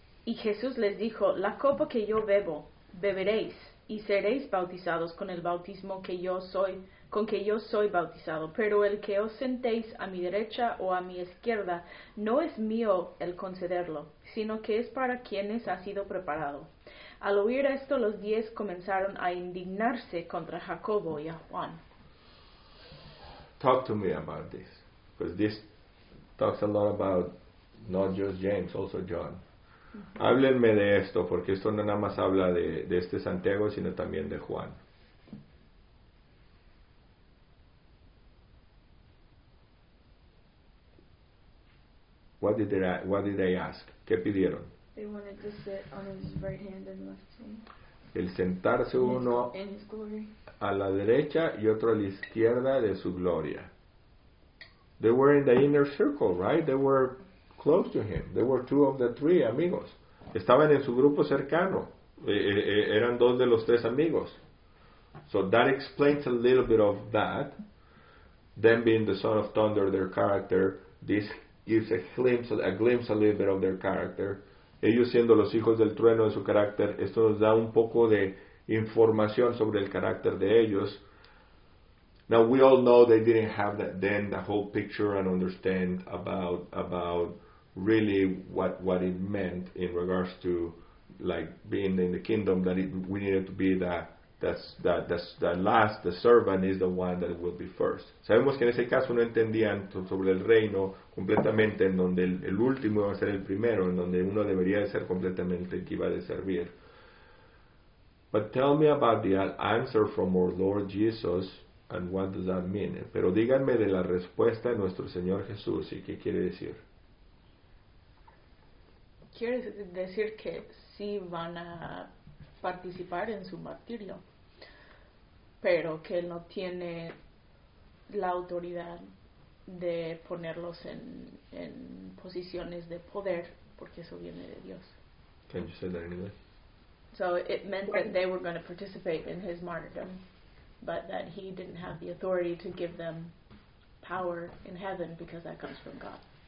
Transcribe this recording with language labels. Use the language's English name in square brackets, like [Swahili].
[Spanish] Y Jesús les dijo, la copa que yo bebo, beberéis, y seréis bautizados con el bautismo que yo soy, con que yo soy bautizado. Pero el que os sentéis a mi derecha o a mi izquierda, no es mío el concederlo, sino que es para quienes ha sido preparado. Al oír esto, los 10 comenzaron a indignarse contra Jacobo y a Juan. [English] Talk to me about this, because this talks a lot about not just James, also John. Mm-hmm. [Spanish] Háblenme de esto, porque esto no nada más habla de este Santiago, sino también de Juan. [English] What did they ask? [Spanish] ¿Qué pidieron? [English] They wanted to sit on his right hand and left hand. [Spanish] El sentarse uno [English] in his glory. [Spanish] A la derecha y otro a la izquierda de su gloria. [English] They were in the inner circle, right? They were close to him. They were two of the three amigos. [Spanish] Estaban en su grupo cercano. Eran dos de los tres amigos. [English] So that explains a little bit of that. Them being the son of thunder, their character, this gives a glimpse a little bit of their character. [Spanish] Ellos siendo los hijos del trueno de su carácter, esto nos da un poco de información sobre el carácter de ellos. [English] Now we all know they didn't have that then the whole picture and understand about really what it meant in regards to like being in the kingdom, that we needed to be the last, the servant is the one that will be first. [Spanish] Sabemos que en ese caso no entendían sobre el reino completamente, en donde el último iba a ser el primero, en donde uno debería ser completamente el que iba a servir. [English] But tell me about the answer from our Lord Jesus and what does that mean? [Spanish] Pero díganme de la respuesta de nuestro Señor Jesús y qué quiere decir. Quiere decir que sí van a participar en su martirio, pero que él no tiene la autoridad de ponerlos en posiciones de poder, porque eso viene de Dios. [English] Can you say that in English? So it meant that they were going to participate in his martyrdom, but that he didn't have the authority to give them power in heaven because that comes from God.